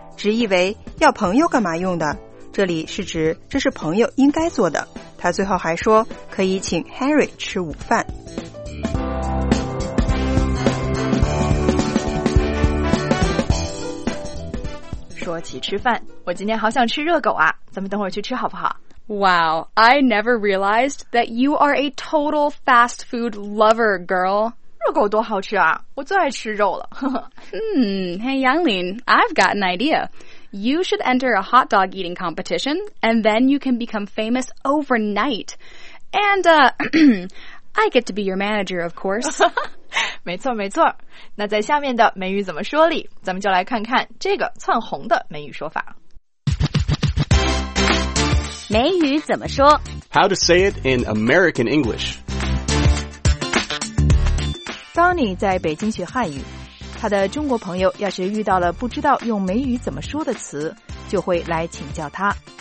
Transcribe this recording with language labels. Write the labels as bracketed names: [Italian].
[Chinese] 直译为要朋友干嘛用的，这里是指这是朋友应该做的。他最后还说可以请 Harry 吃午饭。说起吃饭，我今天好想吃热狗啊，咱们等会儿去吃好不好？ [English] Wow, I never realized that you are a total fast food lover, girl. [Chinese] 热狗多好吃啊，我最爱吃肉了。 [English] hey, Yanglin, I've got an idea. You should enter a hot dog eating competition, and then you can become famous overnight. And, I get to be your manager, of course. [Chinese] 没错没错。那在下面的美语怎么说里，咱们就来看看这个窜红的美语说法。美语怎么说？ [English] How to say it in American English. [Chinese] Donnie 在北京学汉语，他的中国朋友要是遇到了不知道用美语怎么说的词，就会来请教他。